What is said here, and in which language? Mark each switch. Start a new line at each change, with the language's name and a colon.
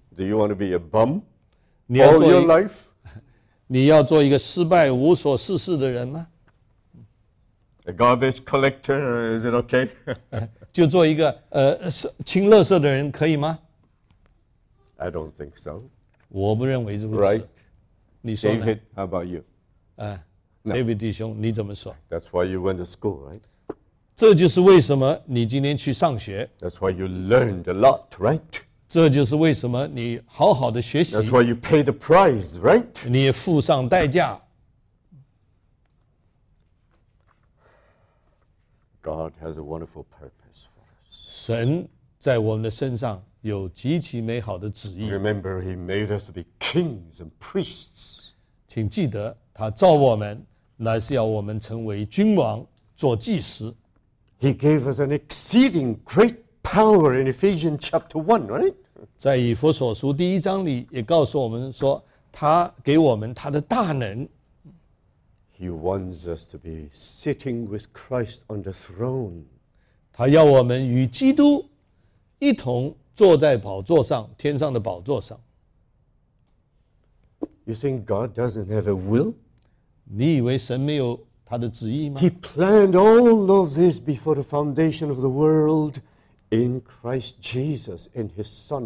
English: Do you want to be a bum all your life?
Chinese: 你要做一个失败无所事事的人吗？
English: A garbage collector, is it okay?
Chinese: 就做一个清垃圾的人可以吗？
English: I don't think so.
Chinese: 我不认为如此。
English: Right.
Chinese: 你说呢？
English: David, how about you?
Chinese: David 弟兄，你怎么说？
English: That's why you went to school, right?
Chinese: 这就是为什么你今天去上学。
English: That's why you learned a lot, right?
Chinese: 这就是为什么你好好的学习。
English: That's why you paid the price, right?
Chinese: 你也付上代价。
English: God has a wonderful purpose for us.
Chinese: 神在我们的身上有极其美好的旨意。
English: Remember, He made us to be kings and priests.
Chinese: 请记得，他造我们，乃是要我们成为君王、做祭司。
English: He gave us an exceeding great power in Ephesians chapter 1, right?
Chinese: 在以弗所书第一章里也告诉我们说，他给我们他的大能。
English: He wants us to be sitting with Christ on the throne.
Chinese: 他要我们与基督一同坐在宝座上，天上的宝座上。
English: You think God doesn't have a will?
Chinese: 你以为神没有他的旨意吗？
English: He planned all of this before the foundation of the world in Christ Jesus and his son.